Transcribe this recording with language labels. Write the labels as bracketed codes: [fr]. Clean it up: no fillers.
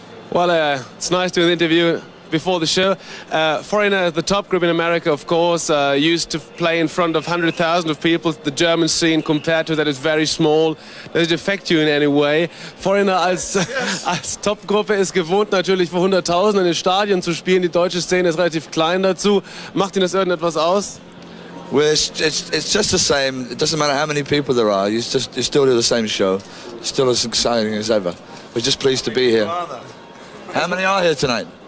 [en] Well, it's nice doing the interview before the show. Foreigner, the top group in America, of course, used to play in front of 100,000 of people. The German scene compared to that is very small. Does it affect you in any way? [de] Foreigner als Topgruppe ist gewohnt natürlich vor 100,000 in den Stadien zu spielen. Die deutsche Szene ist relativ klein dazu. Macht Ihnen das irgendetwas aus? [en] Well, it's just the same. It doesn't matter how many people there are. You still do the same show. It's still as exciting as ever. We're just pleased to be here. How many are here tonight?